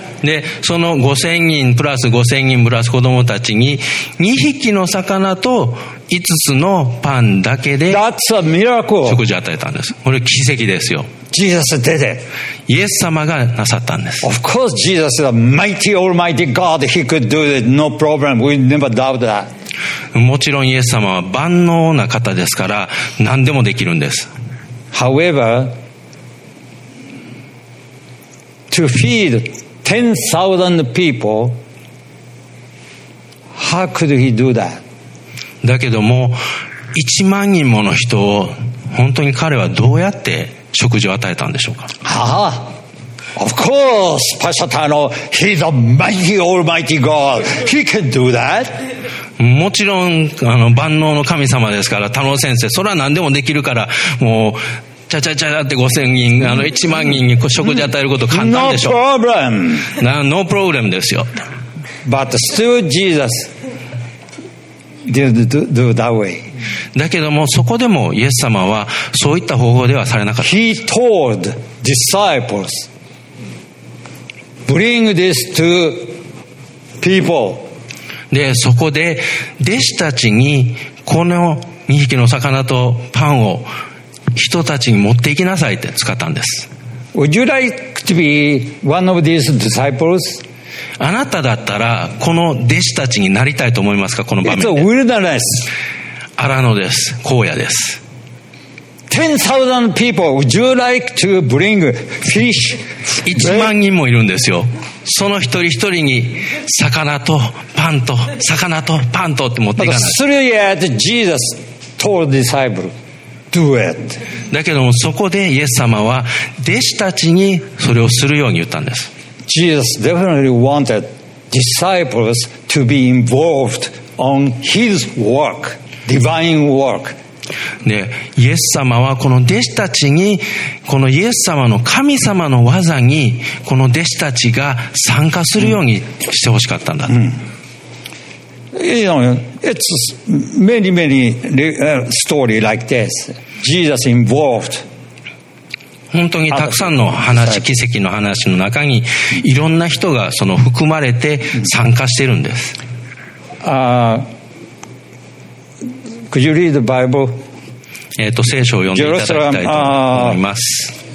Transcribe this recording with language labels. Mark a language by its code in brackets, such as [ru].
[ja] で、その5000人プラス5000人プラス子供たちに2匹の魚と5つのパンだけで食事を与えたんです。これ奇跡ですよ。 [en] Jesus did it. [ja] イエス様がなさったんです。 [en] Of course, Jesus is a mighty, almighty God. He could do it. No problem. We never doubt that. [ja] もちろんイエス様は万能な方ですから、何でもできるんです。 [en] However, to feed 10,000 people, how could he do that? [ja] だけども、1万人もの人を、本当に彼はどうやって食事を与えたんでしょうか。 [en] ああ、of course, Pashatano, he's a mighty, almighty God. He can do that. [ja] もちろん、万能の神様ですから、田野先生、それは何でもできるから、もう、チャチャチャって5000人、1万人に食事を与えること簡単でしょ [en] う。No problem. No problem [ja] ですよ。 [en] But still, Jesus didn't do that way. [ja] だけどもそこでもイエス様はそういった方法ではされなかった。 [en] He told disciples, bring this to people. [ja] で、そこで弟子たちにこの2匹の魚とパンを人たちに持って行きなさいって使ったんです。 [en] Would you like to be one of these disciples? [ja] あなただったらこの弟子たちになりたいと思いますか、この場面で。 [en] It's a wilderness. [ja] 荒野です、荒野です。 [en] 10,000 people would you like to bring fish? [ja] 1万人もいるんですよ。その一人一人に魚とパンと魚とパンとって持っていかない。 [en] But still yet Jesus told disciples do it. [ja] だけどもそこでイエス様は弟子たちにそれをするように言ったんです。 [en] Jesus definitely wanted disciples to be involved on his workDivine work. [ja] で、イエス様はこの弟子たちに、このイエス様の神様の技に、この弟子たちが参加するようにしてほしかったんだ。うん。 [en] You know, it's many, many story like this. Jesus involved. [ja] 本当にたくさんの話、奇跡の話の中に、いろんな人がその含まれて参加してるんです。 [en] Could you read the Bible? [ja] 聖書を読んでいただきたいと思います。